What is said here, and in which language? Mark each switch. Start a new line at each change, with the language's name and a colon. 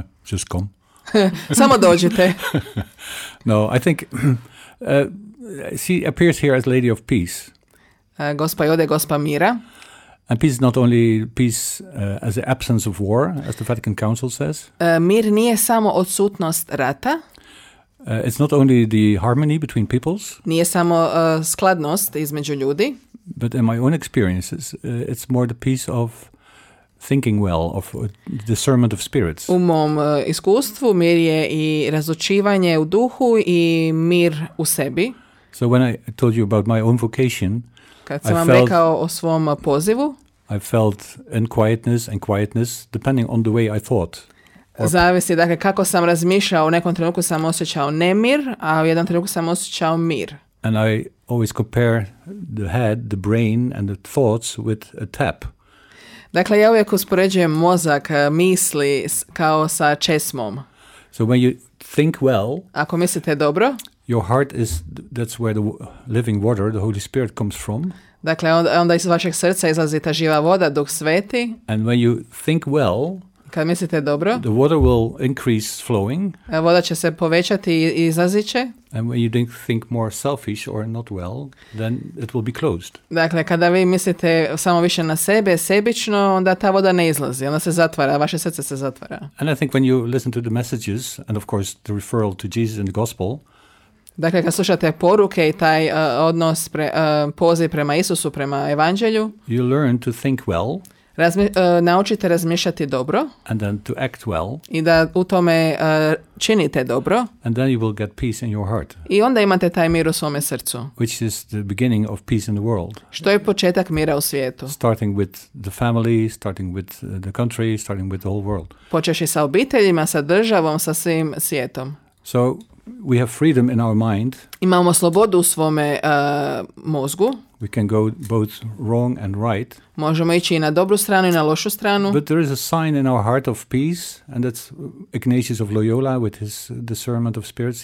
English: Just come.
Croatian: Samo dođite.
English: No, I think she appears here as Lady of Peace.
Croatian: Gospa Jode, Gospa Mira.
English: And peace is not only peace as the absence of war, as the Vatican Council says.
Croatian: Mir nije samo odsutnost rata.
English: It's not only the harmony between peoples.
Croatian: Nije samo skladnost između ljudi.
English: But in my own experiences, it's more the peace of thinking well, of discernment of spirits.
Croatian: U mom iskustvu mir je i razočivanje u duhu i mir u sebi.
English: So when I told you about my own vocation,
Croatian: kad sam vam rekao o svom pozivu,
English: I felt unquietness and quietness depending on the way I thought.
Croatian: Zavisi, dakle, kako sam razmišljao, u nekom trenutku sam osjećao nemir, a u jednom trenutku sam osjećao mir.
English: And I always compare the head, the brain and the thoughts with a tap.
Croatian: Dakle, ja uvijek uspoređujem mozak, misli kao sa česmom.
English: So when you think well,
Croatian: ako mislite dobro,
English: your heart is, that's where the living water, the Holy Spirit comes from.
Croatian: Dakle, onda iz vašeg srca izlazi ta živa voda, Duh Sveti.
English: And when you think well,
Croatian: kad mislite dobro,
English: the water will increase flowing.
Croatian: Voda će se povećati i izlazit će.
English: And when you think more selfish or not well, then it will be closed.
Croatian: Dakle, kada vi mislite samo više na sebe, sebično, onda ta voda ne izlazi, ona se zatvara, vaše srce se zatvara.
English: And I think when you listen to the messages, and of course the referral to Jesus and the gospel.
Croatian: Dakle, kad slušate poruke i taj odnos, poziv prema Isusu, prema evanđelju.
English: You learn to think well.
Croatian: Naučite razmišljati dobro.
English: And then to act well.
Croatian: I da u tome činite dobro.
English: And then you will get peace in your heart.
Croatian: I onda imate taj mir u svome srcu.
English: Which is the beginning of peace in the world.
Croatian: Što je početak mira u svijetu.
English: Starting with the family, starting with the country, starting with the whole world.
Croatian: Počeši sa obiteljima, sa državom, sa svim svijetom.
English: So we have freedom in our mind.
Croatian: Imamo slobodu u svome mozgu.
English: We can go both wrong and right.
Croatian: Možemo ići i na dobru stranu i na lošu stranu.
English: But there is a sign in our heart of peace, and that's Ignatius of Loyola with his discernment of spirits.